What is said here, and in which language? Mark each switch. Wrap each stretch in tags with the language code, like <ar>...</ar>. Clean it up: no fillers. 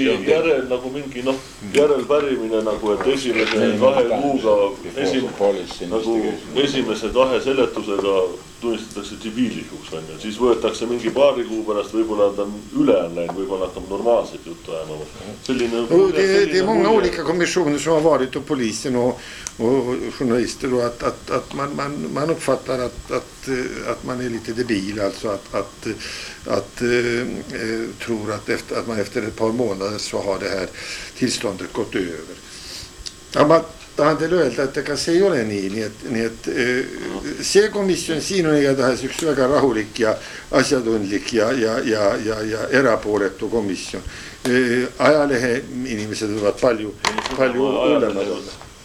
<et>mingi järel, nagu mingi noh, järelpärimine, nagu et esimese kahe kuuga esimese kahe seletusega tunnistatakse tsiviilikuks, siis võetakse mingi paari kuu pärast, võibolla ta on üle läinud, võibolla hakkab normaalselt juttu ajama.</et> <sv>Det är många olika kommissioner som har varit och polisen och journalister och att man uppfattar att man är lite debil, alltså att tror att efter att man efter ett par månader så har det här tillståndet gått över.</sv> <et>Ta on teile öelda, et ega see ei ole nii, nii et see komisjon siin on igatahes üks väga rahulik ja asjatundlik ja erapooletu komisjon. Ajalehe inimesed võivad palju ulemad olla.</et>